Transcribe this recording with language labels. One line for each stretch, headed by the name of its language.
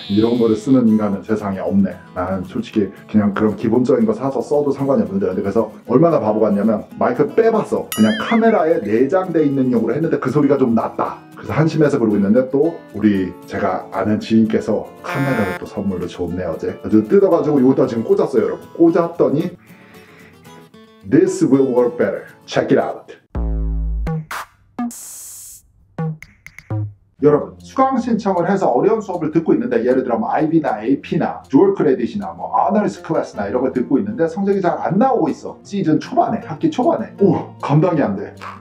Korean: 이런 거를 쓰는 인간은 세상에 없네. 난 솔직히 그냥 그런 기본적인 거 사서 써도 상관이 없는데. 그래서 얼마나 바보 같냐면 마이크 빼봤어. 그냥 카메라에 내장돼 있는 용으로 했는데 그 소리가 좀 났다. 그래서 한심해서 그러고 있는데 또 우리 제가 아는 지인께서 카메라를 또 선물로 줬네, 어제. 아주 뜯어가지고 이것도 지금 꽂았어요, 여러분. 꽂았더니
English: This will work better. Check it out.
Korean: 여러분, 수강 신청을 해서 어려운 수업을 듣고 있는데 예를 들어 IB나 AP나 듀얼 크레딧이나 뭐 아너리스 클래스나 이런 걸 듣고 있는데 성적이 잘 안 나오고 있어. 시즌 초반에, 학기 초반에. 오, 감당이 안 돼.